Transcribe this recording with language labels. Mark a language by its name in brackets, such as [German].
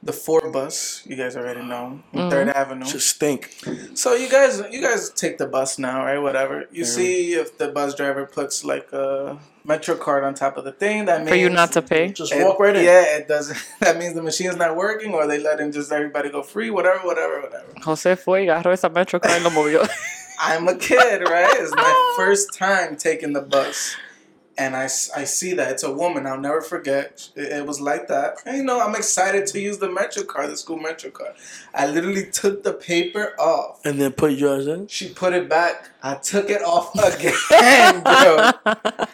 [English] The 4 bus, you guys already know, mm-hmm. Third Avenue. Just stink. So you guys take the bus now, right? Whatever. You see if the bus driver puts like a Metro card on top of the thing, that means for you not to pay. Walk right in. Yeah, it doesn't. That means the machine's not working, or they let him just everybody go free. Whatever. [Spanish] Jose fue y esa Metro card lo movió. [English] I'm a kid, right? It's my first time taking the bus, and I see that it's a woman. I'll never forget. It was like that. And, you know, I'm excited to use the Metro card, the school Metro card. I literally took the paper off and then put yours in. She put it back. I took it off again, bro.